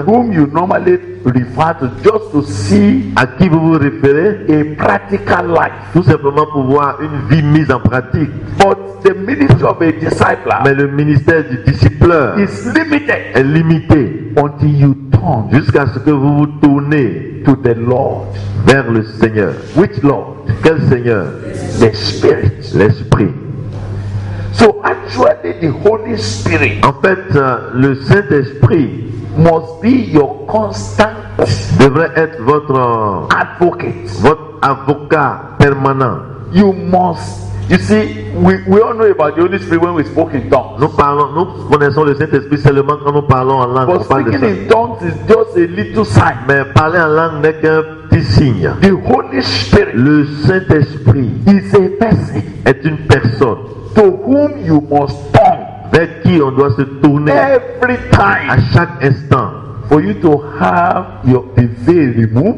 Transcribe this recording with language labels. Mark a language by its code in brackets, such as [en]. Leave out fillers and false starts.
[en] whom you normally refer to just to see, [fr] à qui vous vous référez, [en] a practical life, [fr] tout simplement pour voir une vie mise en pratique. [en] But the ministry of a disciple, [fr] mais le ministère du disciple [en] is limited, [fr] est limité, [en] until you turn, [fr] jusqu'à ce que vous vous tournez [en] to the Lord, [fr] vers le Seigneur. [en] Which Lord? [fr] Quel Seigneur? [en] The Spirit. [fr] L'Esprit. [en] So actually, the Holy Spirit, [fr] en fait, le Saint-Esprit, [en] must be your constant, [fr] devrait être votre [en] advocate, [fr] votre avocat permanent. [en] You must. You see, we all know about the Holy Spirit when we spoke in tongues. [fr] Nous connaissons le Saint-Esprit seulement quand nous parlons en langue. [en] But speaking in tongues is just a little sign. [fr] Mais parler en langue n'est qu'un petit signe. [en] The Holy Spirit, [fr] le Saint-Esprit, [en] is a person, [fr] est une personne, [en] to whom you must turn, [fr] vers qui on doit se tourner [en] every time, [fr] à chaque instant, [en] for you to have your veil removed,